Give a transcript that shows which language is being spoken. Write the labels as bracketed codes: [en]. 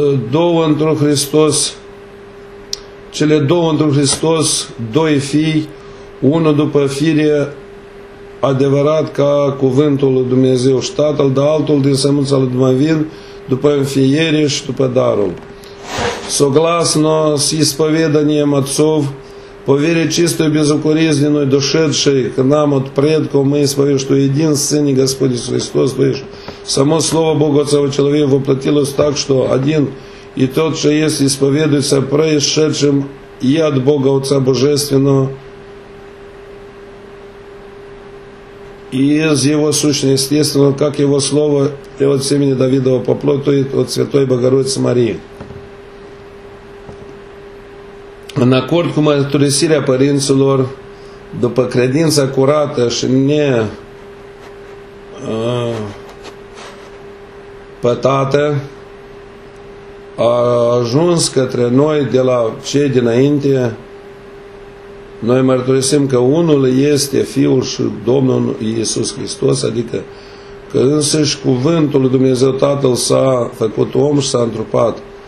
[ro] două într-un Hristos, cele două într-un Hristos, doi fii, unul după fire adevărat ca cuvântul lui Dumnezeu și Tatăl, dar altul din sămânța lui Dumnezeu, după înfiere și după darul. [ru] Согласно с исповеданием отцов, по вере чистой безукоризненной, дошедшей к нам от предков, мы исповедуем, что един Сын и Господь Иисус Христос, слышь, само Слово Бога Отца человека воплотилось так, что один и тот же есть исповедуется происшедшим и от Бога Отца Божественного, и из Его сущности естественного, как Его Слово, и от семени Давидова по плоти, и от Святой Богородицы Марии. [ro] În acord cu mărturisirea părinților, după credința curată și nepătată, a ajuns către noi de la cei dinainte, noi mărturisim că unul este Fiul și Domnul Iisus Hristos, adică că însăși cuvântul lui Dumnezeu Tatăl s-a făcut om și s-a întrupat.